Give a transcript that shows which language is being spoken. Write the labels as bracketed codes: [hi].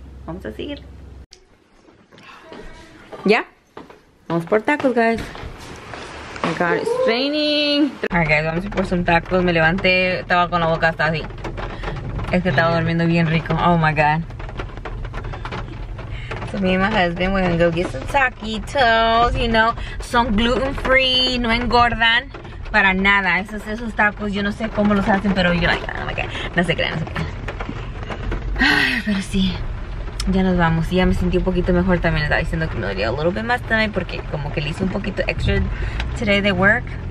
[es] Vamos a seguir. ¿Ya? Vamos por tacos, [en] guys. Oh, God, it's raining. Alright, guys, [es] vamos por [en] some tacos. [es] Me levanté, estaba con la boca hasta así. Es que estaba durmiendo bien rico, [en] oh my God. So me and my husband, we're gonna go get some taquitos, you know. [es] Son gluten free, no engordan para nada. Esos tacos, yo no sé cómo los hacen, pero yo [en] like, oh my God. [es] No se crean, no se crean. Ay, pero sí. ya nos vamos. Y ya me sentí un poquito mejor también. Estaba diciendo que me dolía [en] a little bit [es] más [en] tonight [es] porque como que le hice un poquito extra [en] today [es] de [en] work.